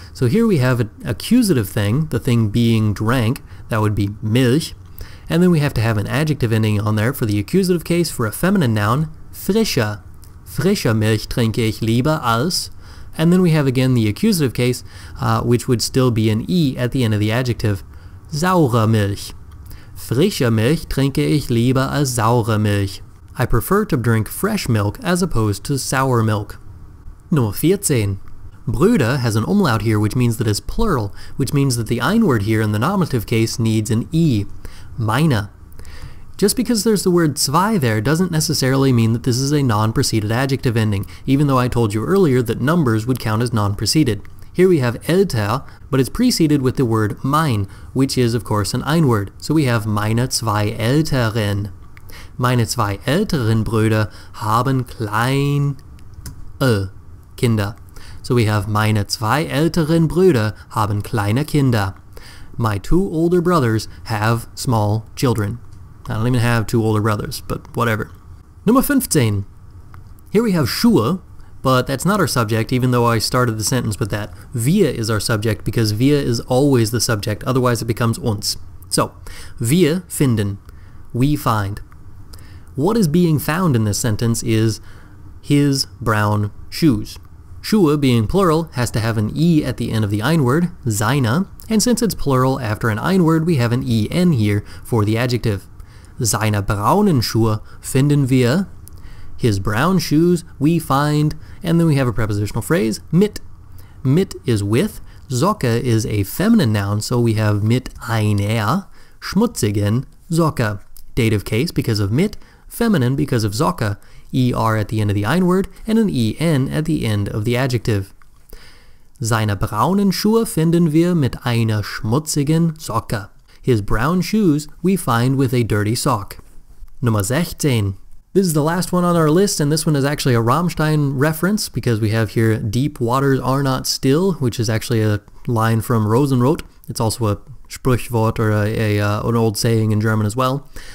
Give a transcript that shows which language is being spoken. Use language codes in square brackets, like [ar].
[en] So here we have an accusative thing, the thing being drank, that would be Milch. And then we have to have an adjective ending on there for the accusative case for a feminine noun, frischer. [de] Frischer Milch trinke ich lieber als. [en] And then we have again the accusative case, which would still be an E at the end of the adjective, [de] saure Milch. Frischer Milch trinke ich lieber als saure Milch. [en] I prefer to drink fresh milk as opposed to sour milk. [de] Nummer 14. [en] Brüder has an umlaut here which means that it's plural, which means that the ein-word here in the nominative case needs an E. Meine. Just because there's the word zwei there doesn't necessarily mean that this is a non-preceded adjective ending, even though I told you earlier that numbers would count as non-preceded. Here we have älter, but it's preceded with the word mein, which is of course an ein-word, so we have [de] meine zwei älteren. Meine zwei älteren Brüder haben kleine Kinder. [en] So we have [de] meine zwei älteren Brüder haben kleine Kinder. [en] My two older brothers have small children. I don't even have two older brothers, but whatever. [de] Nummer 15. [en] Here we have Schuhe, but that's not our subject, even though I started the sentence with that. Wir is our subject because wir is always the subject, otherwise it becomes uns. So, [de] wir finden. [en] We find. What is being found in this sentence is his brown shoes. Schuhe, being plural, has to have an E at the end of the ein-word, seine, and since it's plural after an ein-word, we have an EN here for the adjective. [de] Seine braunen Schuhe finden wir, [en] his brown shoes we find, and then we have a prepositional phrase, mit. Mit is with, Socke is a feminine noun, so we have [de] mit einer schmutzigen Socke. [en] Dative case because of mit, feminine because of Socke, ER at the end of the ein-word, and an EN at the end of the adjective. [de] Seine braunen Schuhe finden wir mit einer schmutzigen Socke. [en] His brown shoes we find with a dirty sock. [de] Nummer 16. [en] This is the last one on our list, and this one is actually a Rammstein reference, because we have here, deep waters are not still, which is actually a line from Rosenrot. It's also a Sprichwort or an old saying in German as well.